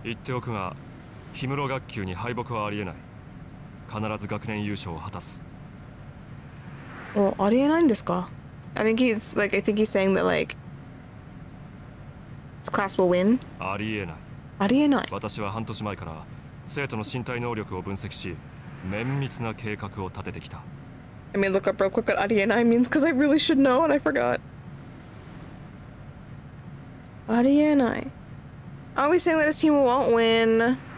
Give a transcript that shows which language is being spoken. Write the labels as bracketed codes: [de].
[ja] 言っておくが、氷室学級に敗北はありえない。必ず学年優勝を果たす。お、ありえないんですか? [en] I think he's, like, I think he's saying that, like, his class will win. [ja] ありえない。ありえない。私は半年前から生徒の身体能力を分析し、綿密な計画を立ててきた。 [en] I mean, look up real quick what ありえない means, because I really should know and I forgot. Ari and I. Are we saying that his team won't win?